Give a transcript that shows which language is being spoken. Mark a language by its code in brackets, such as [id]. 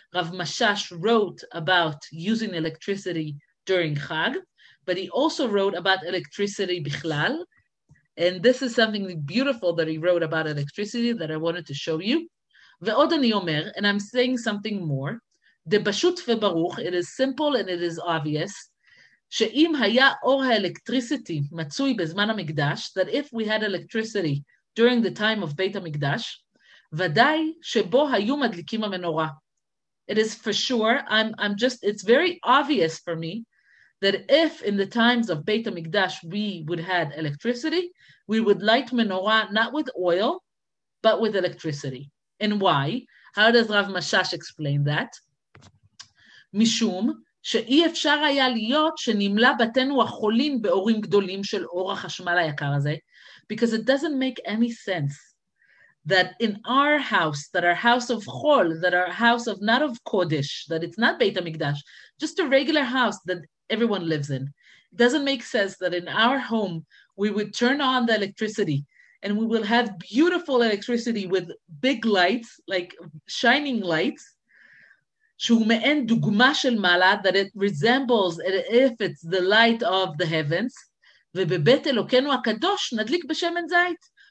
[en] Rav Mashash wrote about using electricity during Chag, but he also wrote about electricity Bichlal. And this is something beautiful that he wrote about electricity that I wanted to show you. Ve'od ani omer, and I'm saying something more. De'bashut ve'baruch, it is simple and it is obvious. [he] שאם היה אור האלקטריסיטי מצוי בזמן המקדש, that if we had electricity during the time of בית המקדש, ודאי שבו היו מדליקים המנורה. [en] It is for sure, it's very obvious for me that if in the times of בית המקדש we would had electricity, we would light menorah not with oil, but with electricity. And why? How does Rav Mashash explain that? [he] משום שאי אפשר היה להיות שנמלא בתינו החולים באורים גדולים של אור החשמל היקר הזה. [en] Because it doesn't make any sense that in our house, that our house of chol, that our house of not of kodesh, that it's not בית המקדש, just a regular house that everyone lives in. It doesn't make sense that in our home, we would turn on the electricity and we will have beautiful electricity with big lights, like shining lights, שהוא מעין דוגמה של מעלה, that it resembles, if it's the light of the heavens, ובבית אלוקנו הקדוש נדליק בשמן זית.